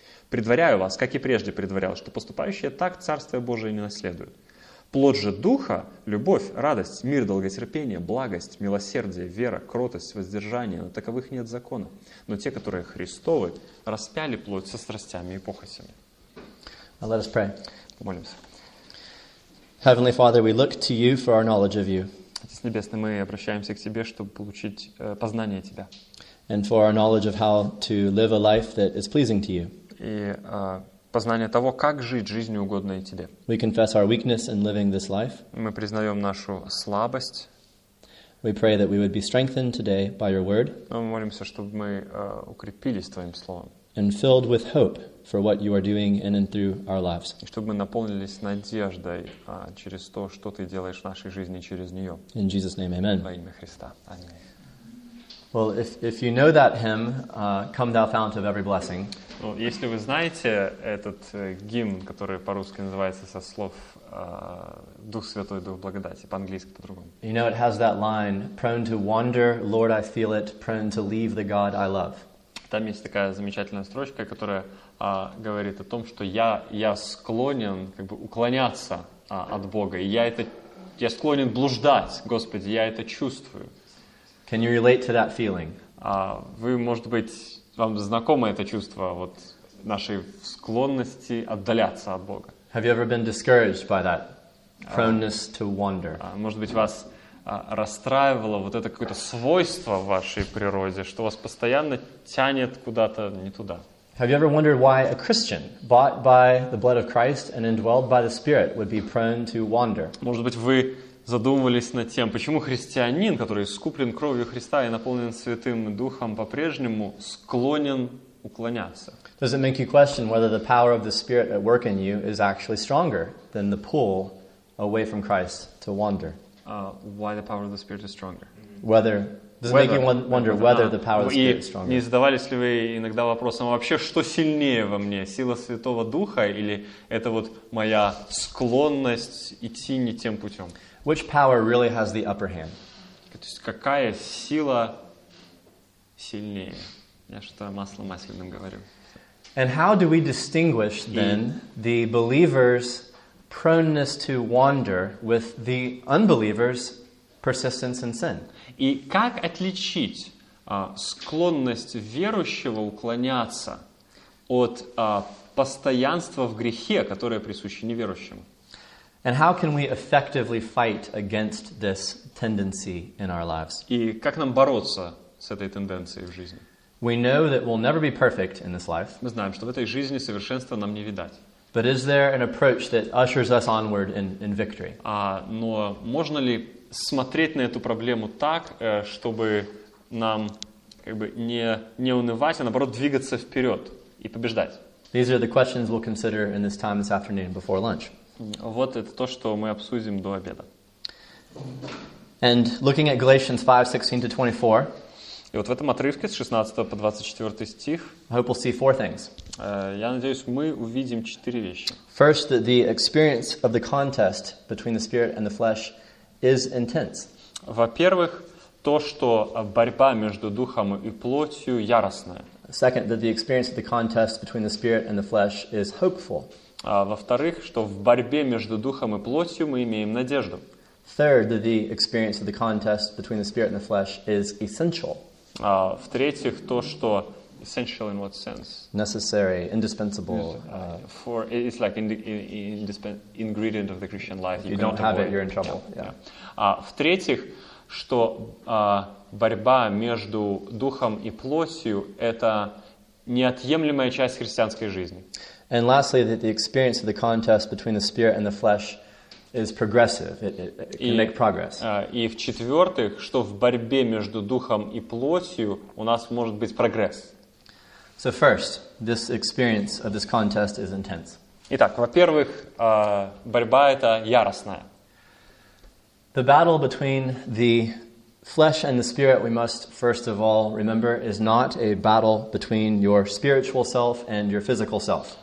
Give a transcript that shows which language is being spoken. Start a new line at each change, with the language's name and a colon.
Russian: Предваряю вас, как и прежде предварял, что поступающие так Царствие Божие не наследуют. Плод же Духа – любовь, радость, мир, долготерпение, благость, милосердие, вера, кротость, воздержание. На таковых нет закона. Но те, которые Христовы, распяли плоть со страстями и похотями.
English: Let us pray.
Russian: Помолимся.
English: Heavenly Father, we look to you for our knowledge of you.
Russian: Отец Небесный, мы обращаемся к Тебе, чтобы получить познание Тебя.
English: And for our knowledge of how to live a life that is pleasing to you.
Russian: И... познание того, как жить жизнью, угодной Тебе.
English: We confess our weakness in living this life.
Russian: Мы признаем нашу слабость.
English: We pray that we would be strengthened today by your word.
Russian: Мы молимся, чтобы мы укрепились Твоим словом.
English: And filled with hope for what you are doing in and through our lives.
Russian: И чтобы мы наполнились надеждой через то, что Ты делаешь в нашей жизни через нее.
English: In Jesus' name, amen.
Russian: Во имя Христа. Аминь.
English: Well, if you know that hymn, Come Thou Fount of Every Blessing.
Russian: Well, если вы знаете этот гимн, который по-русски называется со слов Дух Святой, Дух Благодати, по-английски по-другому.
English: You know, it has that line, prone to wander, Lord, I feel it, prone to leave the God I love.
Russian: Там есть такая замечательная строчка, которая говорит о том, что я склонен как бы уклоняться от Бога. Я склонен блуждать, Господи, я это чувствую.
English: Can you relate to that feeling?
Russian: Вы, может быть, вам знакомо это чувство вот нашей склонности отдаляться от Бога?
English: Have you ever been discouraged by that proneness to wander?
Russian: Может быть, вас расстраивало вот это какое-то свойство в вашей природе, что вас постоянно тянет куда-то не туда?
English: Have you ever wondered why a Christian, bought by the blood of Christ and indwelled by the Spirit, would be prone to wander?
Russian: Может быть, вы задумывались над тем, почему христианин, который искуплен кровью Христа и наполнен Святым Духом, по-прежнему склонен уклоняться?
English: Does it make you question whether the power of the Spirit at work in you is actually stronger than the pull away from Christ to wander? Why the power of the Spirit is stronger? Whether does it make you wonder whether the power of the Spirit is stronger?
Russian: Не задавались ли вы иногда вопросом вообще, что сильнее во мне, сила Святого Духа или это вот моя склонность идти не тем путем?
English: Which power really has the upper hand?
Russian: То есть какая сила сильнее? Я что-то маслом масляным говорю.
English: And how do we distinguish then the believer's proneness to wander with the unbeliever's persistence in sin?
Russian: И как отличить склонность верующего уклоняться от постоянства в грехе, которое присуще неверующим?
English: And how can we effectively fight against this tendency in our lives?
Russian: И как нам бороться с этой тенденцией в жизни?
English: We know that we'll never be perfect in this life.
Russian: Мы знаем, что в этой жизни совершенства нам не видать.
English: But is there an approach that ushers us onward in victory?
Russian: Но можно ли смотреть на эту проблему так, чтобы нам как бы не унывать, а наоборот двигаться вперед и побеждать?
English: These are the questions we'll consider in this time this afternoon before lunch.
Russian: Вот это то, что мы обсудим до обеда.
English: And looking at Galatians 5:16-24.
Russian: И вот в этом отрывке с 16 по 24 стих.
English: I hope we'll see four things.
Russian: Я надеюсь, мы увидим четыре вещи.
English: First, that the experience of the contest between the spirit and the flesh is intense.
Russian: Во-первых, то, что борьба между духом и плотью яростная.
English: Second, that the experience of the contest between the spirit and the flesh is hopeful.
Russian: Во-вторых, что в борьбе между духом и плотью мы имеем надежду.
English: Third, that the experience of the contest between the spirit and the flesh is essential.
Russian: В-третьих, то, что
English: essential in what sense? Necessary, indispensable. For it's like ingredient of the Christian life. You don't have it, you're in trouble.
Russian: В-третьих, что борьба между духом и плотью — это неотъемлемая часть христианской жизни.
English: And lastly, that the experience of the contest between the spirit and the flesh is progressive. It can make progress.
Russian: И в-четвертых, что в борьбе между духом и плотью у нас может быть прогресс.
English: So first, this experience of this contest is intense.
Russian: Итак, во-первых, борьба эта яростная.
English: The battle between the flesh and the spirit, we must first of all remember, is not a battle between your spiritual self and your physical self.